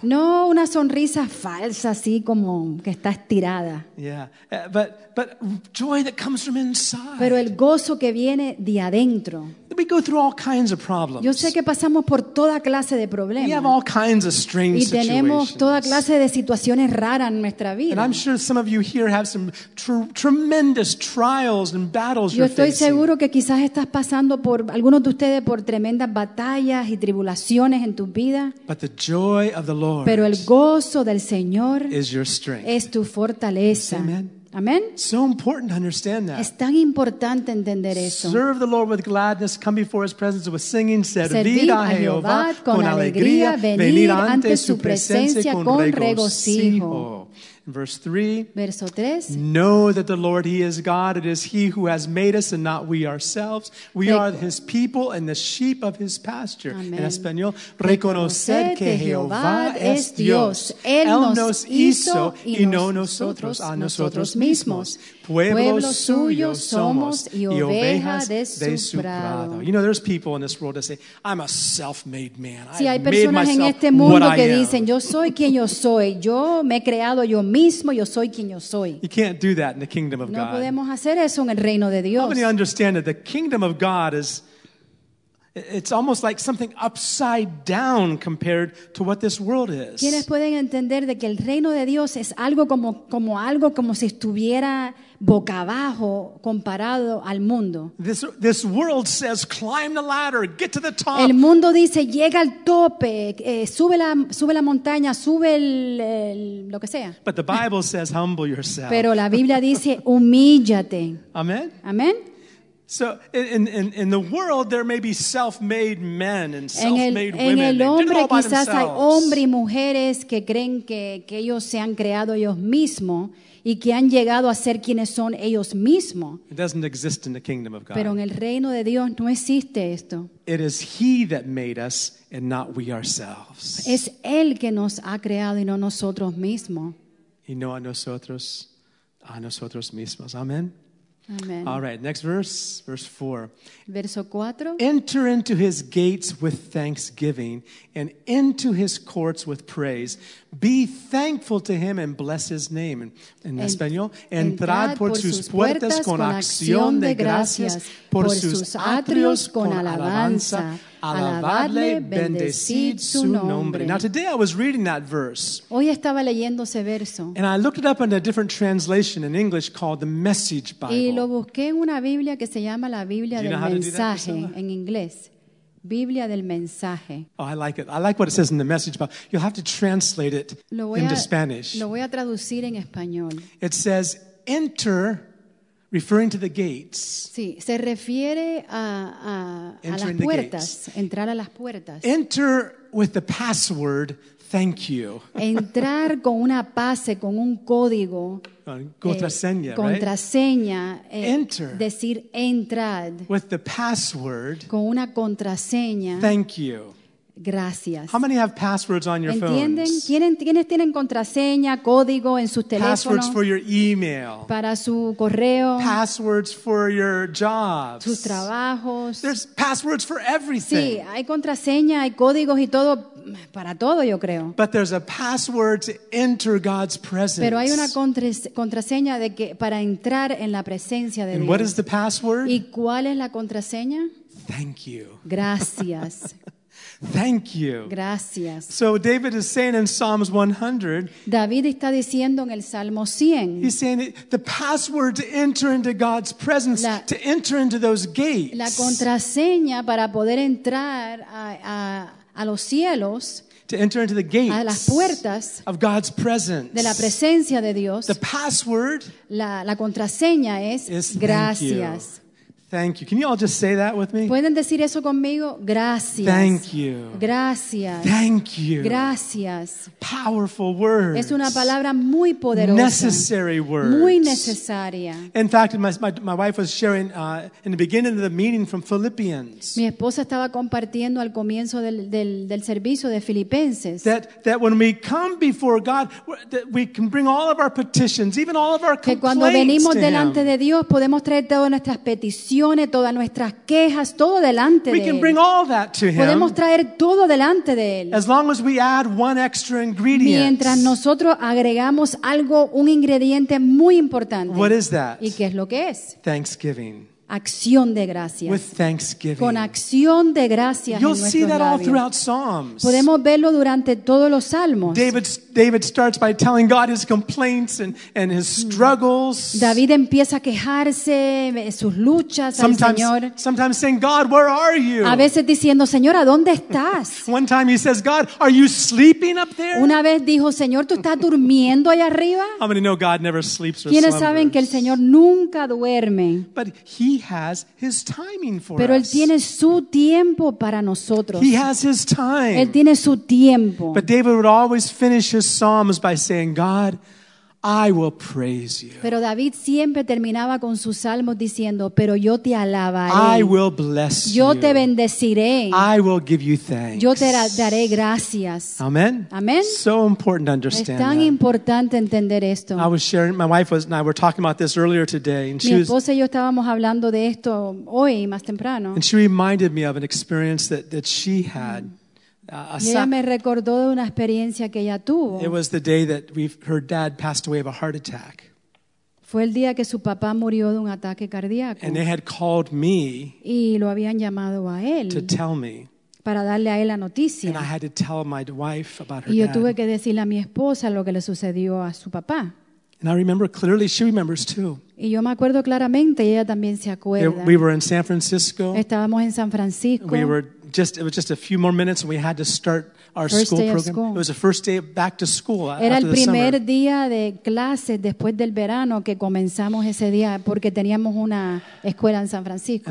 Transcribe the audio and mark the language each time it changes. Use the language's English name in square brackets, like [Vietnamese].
[Spanish] No una sonrisa falsa así como que está estirada. [English] Yeah. But joy that comes from inside. [Spanish] Pero el gozo que viene de adentro. [English] We go through all kinds of problems. [Spanish] Yo sé que pasamos por toda clase de problemas. [English] We have all kinds of strange [Spanish] y tenemos [English] situations. [Spanish] Toda clase de situaciones raras en nuestra vida. [English] And I'm sure some of you here have some tremendous trials and battles you're facing. [Spanish] Yo estoy seguro que quizás estás pasando por algunos de ustedes por tremendas batallas y tribulaciones en tu vida. [English] But the joy of the Lord. [Spanish] Pero el gozo del Señor [English] is your strength. [Spanish] Es tu fortaleza. [English] Amen. [Spanish] Amen. [English] So important to understand that. [Spanish] Es tan importante entender eso. [English] Serve the Lord with gladness, come before his presence with singing, [Spanish] servid a Jehová con alegría, venir ante su presencia con regocijo. [English] Verse 3. [Spanish] Verso 3. [English] Know that the Lord, he is God. It is he who has made us and not we ourselves. We are his people and the sheep of his pasture. Amen. [Spanish] En español, reconoced que Jehová es Dios. Él nos hizo y no nosotros a nosotros mismos. Pueblos suyos somos y ovejas de su prado. [English] You know, there's people in this world that say, I'm a self-made man. [Spanish] Sí, hay personas en este mundo que dicen, yo soy quien yo soy. Yo me he creado yo mismo, yo soy quien yo soy. [English] You can't do that in the kingdom of God. [Spanish] No podemos hacer eso en el reino de Dios. [English] How many understand that the kingdom of God is... It's almost like something upside down compared to what this world is. [Spanish] ¿Quiénes pueden entender de que el reino de Dios es algo como si estuviera boca abajo comparado al mundo? [English] This world says climb the ladder, get to the top. [Spanish] El mundo dice llega al tope, sube la montaña, sube el lo que sea. [English] But the Bible says humble yourself. [Spanish] Pero la Biblia dice humíllate. [English] Amen. [Spanish] Amen. [English] So in the world there may be self-made men and self-made women. [Spanish] En el hombre quizás hay hombres y mujeres que creen que ellos se han creado ellos mismos y que han llegado a ser quienes son ellos mismos. [English] It doesn't exist in the kingdom of God. [Spanish] Pero en el reino de Dios no existe esto. [English] It is he that made us and not we ourselves. [Spanish] Es él que nos ha creado y no nosotros mismos. Y no a nosotros mismos. Amén. [English] Amen. All right, next verse 4. [Spanish] Verso 4. [English] Enter into his gates with thanksgiving and into his courts with praise. Be thankful to him and bless his name. [Spanish] En español, entrad por sus puertas con acción de gracias, por sus atrios con alabanza. Alabadle, bendecid su nombre. [English] Now today I was reading that verse. [Spanish] Hoy estaba leyendo ese verso. [English] And I looked it up in a different translation in English called the Message Bible. [Spanish] Y lo busqué en una Biblia que se llama la Biblia del Mensaje en inglés. Biblia del Mensaje. [English] Oh, I like it. I like what it says in the Message Bible. You'll have to translate it into Spanish. [Spanish] Lo voy a traducir en español. [English] It says, enter... Referring to the gates. [Spanish] Sí, se refiere a las puertas, entrar a las puertas. [English] Enter with the password, thank you. [Spanish] Entrar con una pase, con un código. Contraseña, right? Contraseña. [English] Enter. [Spanish] Decir entrad. [English] With the password. [Spanish] Con una contraseña. [English] Thank you. [Spanish] Gracias. [English] How many have passwords on your [Spanish] ¿Entienden? [English] Phones? [Spanish] ¿Entienden? ¿Quiénes tienen contraseña, código en sus teléfonos? [English] Passwords for your email. [Spanish] Para su correo. [English] Passwords for your jobs. [Spanish] Sus trabajos. [English] There's passwords for everything. [Spanish] Sí, hay contraseña, hay códigos y todo para todo, yo creo. [English] But there's a password to enter God's presence. [Spanish] Pero hay una contraseña de que para entrar en la presencia de [English] And [Spanish] Dios. [English] What is the password? [Spanish] ¿Y cuál es la contraseña? [English] Thank you. [Spanish] Gracias. [English] Thank you. [Spanish] Gracias. [English] So David is saying in Psalms 100. [Spanish] David está diciendo en el Salmo 100. [English] He's saying the password to enter into God's presence, to enter into those gates. [Spanish] La contraseña para poder entrar a los cielos. [English] To enter into the gates. [Spanish] A las puertas. [English] Of God's presence. [Spanish] De la presencia de Dios. [English] The password. [Spanish] La contraseña es gracias. [English] Thank you. Thank you. Can you all just say that with me? [Spanish] ¿Pueden decir eso conmigo? Gracias. [English] Thank you. [Spanish] Gracias. [English] Thank you. [Spanish] Gracias. [English] Powerful words. [Spanish] Es una palabra muy poderosa. [English] Necessary words. [Spanish] Muy necesaria. [English] In fact, my wife was sharing in the beginning of the meeting from Philippians. [Spanish] Mi esposa estaba compartiendo al comienzo del servicio de Filipenses. [English] That when we come before God, that we can bring all of our petitions, even all of our complaints. [Spanish] Que cuando venimos delante de Dios podemos traer todas nuestras peticiones. Todas nuestras quejas, todo delante de Él. Podemos traer todo delante de Él. [English] As long as we add one extra ingredient. [Spanish] Mientras nosotros agregamos algo, un ingrediente muy importante. [English] What is that? [Spanish] ¿Y qué es lo que es? [English] Thanksgiving. [Spanish] Acción de gracias. [English] With thanksgiving. [Spanish] Con acción de gracias. [English] You'll [Spanish] en [English] see that [Spanish] labios. [English] All throughout Psalms. [Spanish] Podemos verlo durante todos los salmos. [English] David starts by telling God his complaints and his struggles. [Spanish] David empieza a quejarse sus luchas [English] sometimes, [Spanish] al Señor. [English] Sometimes saying, God, where are you? [Spanish] A veces diciendo, Señor, ¿a dónde estás? [English] One time he says, God, are you sleeping up there? [Spanish] Una vez dijo, Señor, ¿tú estás durmiendo allá arriba? [English] How many know God never sleeps or slumbers? [Spanish] ¿Quiénes saben que el Señor nunca duerme? [English] But he has his timing for us. [Spanish] Pero él tiene su tiempo para nosotros. [English] He has his time. [Spanish] Él tiene su tiempo. [English] But David would always finish his psalms by saying, God, I will praise you. [Spanish] Pero David siempre terminaba con sus salmos diciendo, pero yo te alabaré. [English] I will bless you. [Spanish] Yo te bendeciré. [English] I will give you thanks. [Spanish] Yo te daré gracias. [English] Amen. [Spanish] Amen. [English] So important to understand. [Spanish] Es tan importante entender esto. [English] I was sharing, my wife was and I were talking about this earlier today, and she [Spanish] mi esposa y yo estábamos hablando de esto hoy más temprano. [English] And she reminded me of an experience that she had. [Spanish] Ella me recordó de una experiencia que ella tuvo. [English] It was the day that her dad passed away of a heart attack. [Spanish] Fue el día que su papá murió de un ataque cardíaco. [English] And they had called me. [Spanish] Y lo habían llamado a él. [English] To tell me. [Spanish] Para darle a él la noticia. [English] And I had to tell my wife about her dad. [Spanish] Y yo tuve que decirle a mi esposa lo que le sucedió a su papá. [English] And I remember clearly, she remembers too. [Spanish] Y yo me acuerdo claramente, ella también se acuerda. [English] We were in San Francisco. [Spanish] Estábamos en San Francisco. [English] We were just—it was just a few more minutes, and we had to start our first school day program. Of school. It was the first day back to school. [Spanish] Era [English] after [Spanish] el primer [English] the [Spanish] día de clases después del verano que comenzamos ese día porque teníamos una escuela en San Francisco.